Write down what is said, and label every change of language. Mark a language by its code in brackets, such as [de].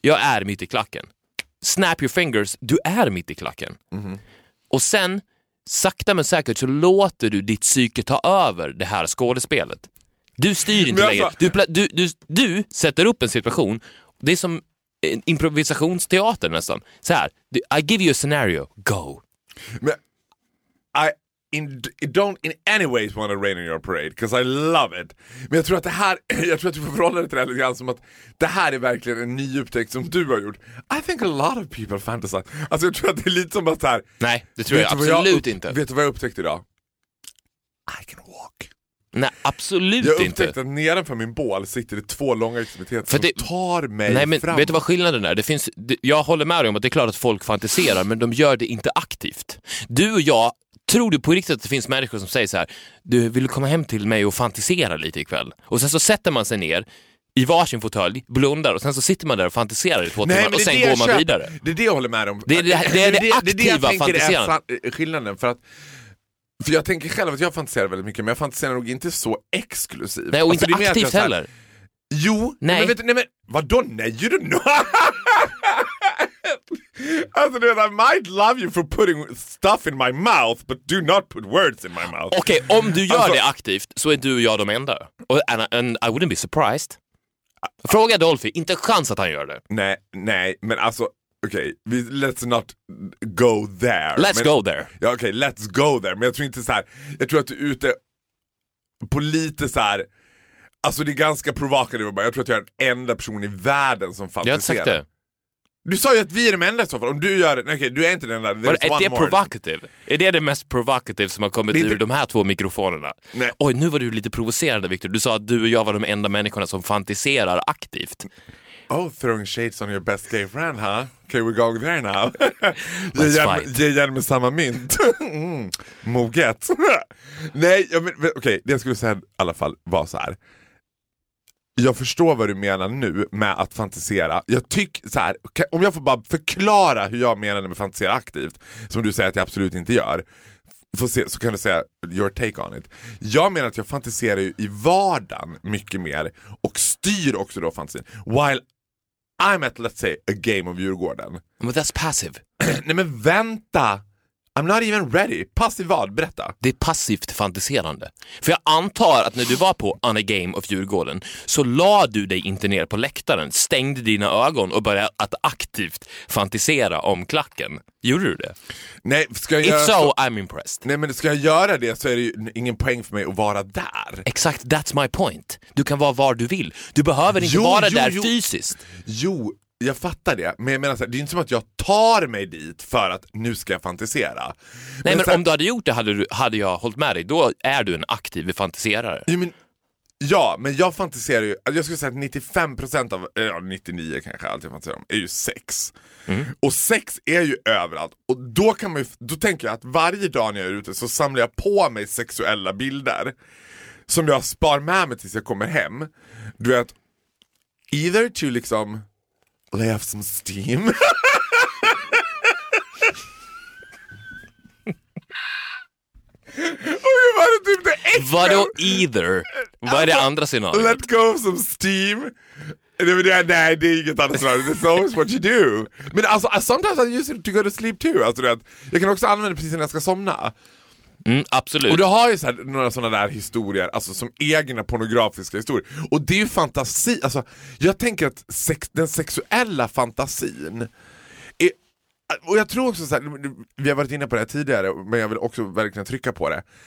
[sv] Jag är mitt i klacken. [en] Snap your fingers, [sv] du är mitt i klacken. Och sen sakta men säkert så låter du ditt psyke ta över det här skådespelet. Du styr inte längre. Du sätter upp en situation. Det är som improvisationsteater nästan. Så här, [en] I give you a scenario, go. [sv] Men [en] I don't in any ways want to rain on your parade because I love it. [sv] Men jag tror att det här, jag tror att du får förhålla dig till det här lite grann som att det här är verkligen en ny upptäckt som du har gjort. [en] I think a lot of people fantasize. [sv] Alltså jag tror att det är lite som att så här. Nej, det tror jag absolut inte. Vet du vad jag upptäckte idag? [en] I can walk. [sv] Nej, absolut jag inte. Jag upptäckte att nedanför min bål sitter det två långa extremiteter som det, tar mig nej, men fram. Vet du vad skillnaden är? Det finns, jag håller med dig om att det är klart att folk fantiserar men de gör det inte aktivt. Du och jag. Tror du på riktigt att det finns människor som säger så här: du vill komma hem till mig och fantisera lite ikväll? Och sen så sätter man sig ner i varsin fåtölj, blundar och sen så sitter man där och fantiserar i två timmar och sen går man vidare. Det är det jag håller med om. Det är det aktiva fantiserandet. Skillnaden för jag tänker själv att jag fantiserar väldigt mycket men jag fantiserar nog inte så exklusivt. Nej och alltså, inte aktivt här, heller. Jo, nej. Men vadå nej? Du nu? Alltså du vet, [en] I might love you for putting stuff in my mouth but do not put words in my mouth. [sv] Okej, okay, om du gör alltså, det aktivt så är du och jag de enda. [en] And I wouldn't be surprised. [sv] Fråga Dolphy, inte chans att han gör det. Nej, men alltså okej, [en] okay, let's not go there. [sv] Ja, okej, [en] okay, let's go there. [sv] Men jag tror inte så här, jag tror att du är ute på lite så här. Alltså det är ganska provocative bara. Jag tror att jag är den enda personen i världen som fantiserar. Jag har sagt det. Du sa ju att vi är de enda i så fall. Om du gör det, okej, du är inte den där. Är det provocative? Är det det mest provocative som har kommit ur de här två mikrofonerna? Nej. Oj, nu var du lite provocerande, Victor. Du sa att du och jag var de enda människorna som fantiserar aktivt. [en] Oh, throwing shades on your best gay friend, huh? Okay, we're going there now. Let's fight. [sv] Ge igen med samma mynt. Moget. Nej, okej, det jag skulle säga i alla fall var så här. Jag förstår vad du menar nu med att fantisera. Jag tycker så här, om jag får bara förklara hur jag menar med fantisera aktivt, som du säger att jag absolut inte gör, så kan du säga [en] your take on it. [sv] Jag menar att jag fantiserar ju i vardagen mycket mer och styr också då fantasin. [en] While I'm at, let's say, a game of Djurgården. But that's passive. [sv] Nej men vänta. [en] I'm not even ready. [sv] Passiv vad? Berätta. Det är passivt fantiserande. För jag antar att när du var på On a Game of Djurgården så la du dig inte ner på läktaren, stängde dina ögon och började att aktivt fantisera om klacken. Gjorde du det? Nej, ska jag göra... [en] If so, I'm impressed. [sv] Nej, men ska jag göra det så är det ju ingen poäng för mig att vara där. Exakt, [en] that's my point. [sv] Du kan vara var du vill. Du behöver inte vara där fysiskt. Jo, jag fattar det, men jag menar så här, det är inte som att jag tar mig dit för att nu ska jag fantisera. Nej, men om du hade gjort det hade jag hållit med dig. Då är du en aktiv fantiserare. Ja, men jag fantiserar ju, jag skulle säga att 95% av, 99 kanske allt jag fantiserar om, är ju sex. Mm. Och sex är ju överallt. Och då kan man ju, då tänker jag att varje dag när jag är ute så samlar jag på mig sexuella bilder som jag spar med mig tills jag kommer hem. Du vet, [en] either to [sv] liksom [en] lay off some steam. Okay, [sv] vad är det vadå either? Vad är det andra scenariot? [en] Let go of some steam. [sv] Nej, det är inget annat scenario. [en] It's always what you do. [sv] Men alltså, [en] sometimes I use it to go to sleep too. [sv] Alltså, jag kan också använda det precis när jag ska somna. Mm, absolut. Och du har ju så här, några sådana där historier, alltså som egna pornografiska historier. Och det är ju fantasi, alltså. Jag tänker att den sexuella fantasin är, och jag tror också så här, vi har varit inne på det tidigare, men jag vill också verkligen trycka på det.